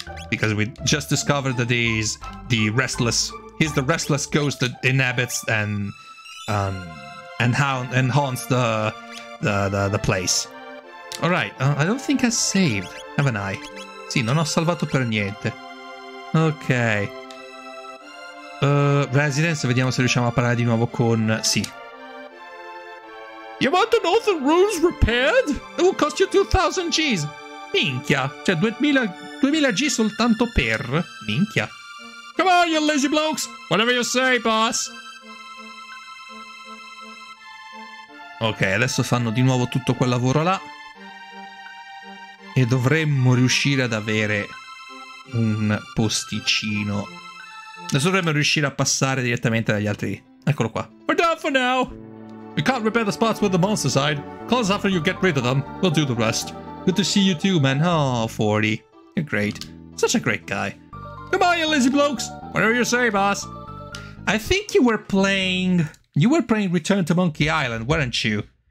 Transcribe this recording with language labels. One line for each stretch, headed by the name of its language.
English: Because we just discovered that he's the restless ghost that inhabits and haunts the place. Alright, I don't think I saved, haven't I?
Italian: Sì, non ho salvato per niente. Ok. Residence, vediamo se riusciamo a parlare di nuovo con... Sì.
English: You want the northern ruins repaired? It will cost you 2000 G's.
Italian: Minchia, cioè 2000 G soltanto per... Minchia.
English: Come on, you lazy blokes. Whatever you say, boss.
Italian: Ok, adesso fanno di nuovo tutto quel lavoro là. E dovremmo riuscire ad avere un posticino. Adesso dovremmo riuscire a passare direttamente dagli altri. Eccolo qua.
English: We're done for now. We can't repair the spots where the monsters hide. Call us after you get rid of them. We'll do the rest. Good to see you too, man. Oh, 40. You're great. Such a great guy. Come on, you lazy blokes. Whatever you say, boss. I think you were playing Return to Monkey Island, weren't you?